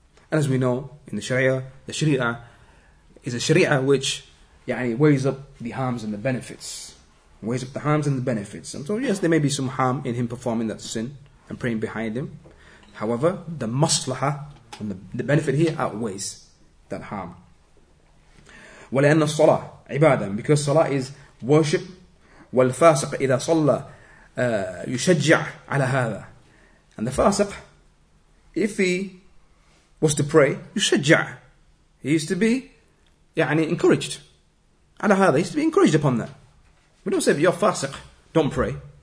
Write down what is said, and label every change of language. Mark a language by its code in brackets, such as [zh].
[en] And as we know, in the sharia is a sharia which يعني weighs up the harms and the benefits. Weighs up the harms and the benefits. And so yes, there may be some harm in him performing that sin and praying behind him. However, the maslaha and the benefit here outweighs that harm. [ar] ولأن الصلاة عبادة, [en] because salah is worship. [ar] والفاسق إذا صلى يشجع على هذا. [en] And the fasiq, if he was to pray, يشجع, he used to be يعني encouraged. [ar] على هذا [en] he's to be encouraged upon that. We don't say if you're fasiq, don't pray.